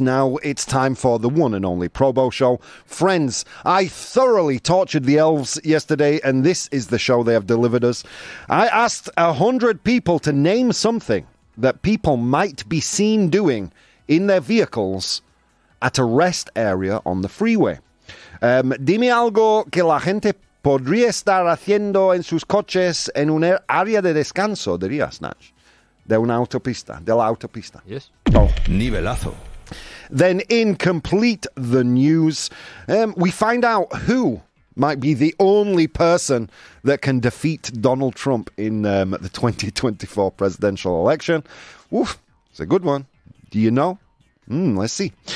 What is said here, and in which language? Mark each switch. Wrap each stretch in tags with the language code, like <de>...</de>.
<en>Now it's time for the one and only Probo Show. Friends, I thoroughly tortured the elves yesterday, and this is the show they have delivered us. I asked 100 people to name something that people might be seen doing in their vehicles at a rest area on the freeway.</en> <es>Dime algo que la gente podría estar haciendo en sus coches en un área de descanso, diría Snatch. De una autopista. De la autopista.</es> <en>Yes. Oh.</en> <es>Nivelazo.</es> <en>Then in complete the news, we find out who might be the only person that can defeat Donald Trump in the 2024 presidential election. Oof, it's a good one. Do you know? Let's see.</en>